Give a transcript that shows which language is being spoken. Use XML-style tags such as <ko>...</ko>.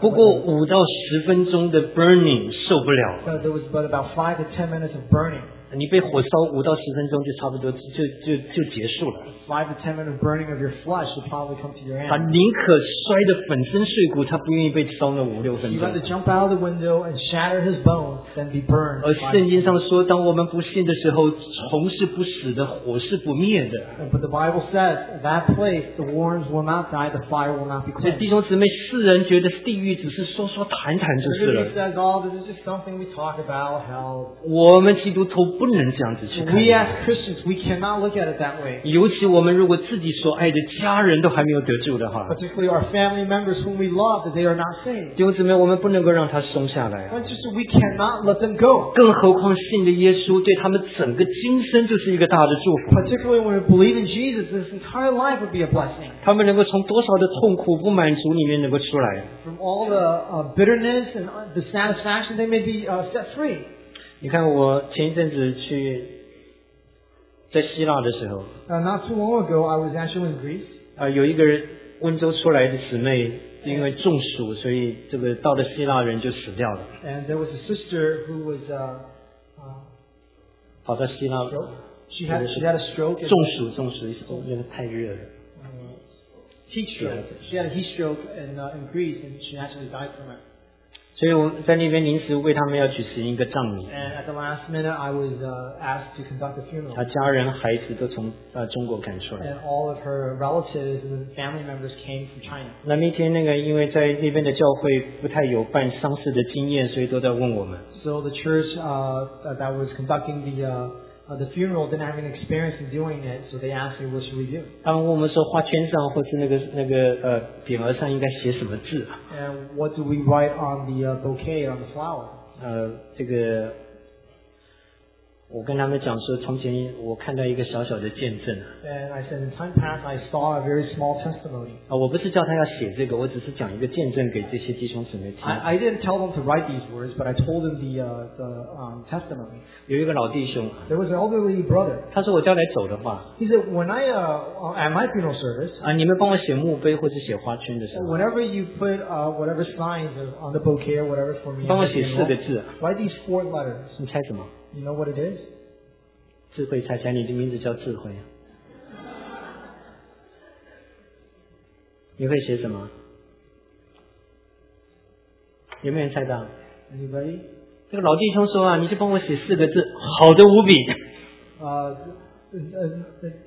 <zh>不过五到十分钟的 burning 受不了。</zh> <en>So there was but about 5 to 10 minutes of burning.</en> <zh>你被火烧五到十分钟就差不多就结束了。</zh> <en>5 to 10 minutes of burning of your flesh would probably come to your end.</en> <zh>他宁可摔得粉身碎骨，他不愿意被烧那五六分钟。</zh> <en>He'd rather jump out the window and shatter his bones than be burned.</en> <zh>而圣经上说，当我们不信的时候，虫是不死的，火是不灭的。</zh> <en>But the Bible says that place the worms will not die, the fire will not be quenched.</en> <zh>弟兄姊妹，世人觉得地狱只是说说谈谈就是了。</zh> <en>Everybody says, "Oh, this is just something we talk about." Hell.</en> <zh>我们基督徒不能这样子去看。</zh> <en>We as Christians, we cannot look at it that way.</en> <zh>尤其我们如果自己所爱的家人都还没有得救的话。</zh> <en>Particularly our family members whom we love, that they are not saved.</en> <zh>弟兄姊妹，我们不能够让他松下来。</zh> <en>But just we cannot let them go.</en> <zh>更何况信的耶稣对他们整个今生就是一个大的祝福。</zh> <en>Particularly when we believe in Jesus, this entire life would be a blessing.</en> <zh>他们能够从多少的痛苦不满足里面能够出来。</zh> <en>From all the bitterness and dissatisfaction, they may be set free.</en> <zh>你看我前一阵子去在希腊的时候</zh> <en>not too long ago I was actually in Greece</en> <zh>有一个温州出来的姊妹因为中暑所以这个到了希腊人就死掉了</zh> <en>and there was a sister who was</en> <zh>跑到希腊</zh> <en>she had a stroke</en> <zh>中暑因为太热了</zh> <en>she had a heat stroke in Greece and she actually died from it</en> <zh>所以我在那边临时为他们要举行一个葬礼。</zh> <en>And at the last minute, I was asked to conduct a funeral.</en> <zh>他家人、孩子都从中国赶出来。</zh> <en>And all of her relatives and family members came from China.</en> <zh>那那天那个因为在那边的教会不太有办丧事的经验，所以都在问我们。</zh> <en>So the church that was conducting the funeral didn't have any experience in doing it, so they asked me what should we do.</en> <zh>他们问我们说花圈上或是那个匾额上应该写什么字。</zh> <en>And what do we write on the bouquet on the flower?</en> <zh>这个我跟他们讲说从前我看到一个小小的见证。</zh> <en>And I said, in time past, I saw a very small testimony.</en> <zh>我不是叫他要写这个我只是讲一个见证给这些弟兄姊妹听。</zh> <en>I didn't tell them to write these words, but I told them the testimony.</en> <zh>有一个老弟兄。</zh> <en>There was an elderly brother.</en> <zh>他说我将来走的话。</zh> <en>He said, when I, at my funeral service,</en> <zh>你们帮我写墓碑或者写花圈的时候。</zh> <en>Whenever you put, whatever signs on the bouquet or whatever for me.</en> <zh>帮我写四个字。</zh> <en>Write these four letters.</en> <zh>你猜什么？</zh> <en>You know what it is?</en> <zh>智慧猜猜你的名字叫智慧。你会写什么？有没有人猜到？</zh> <en>Anybody?</en> <zh>这个老弟兄说啊，你就帮我写四个字，好的无比。</zh>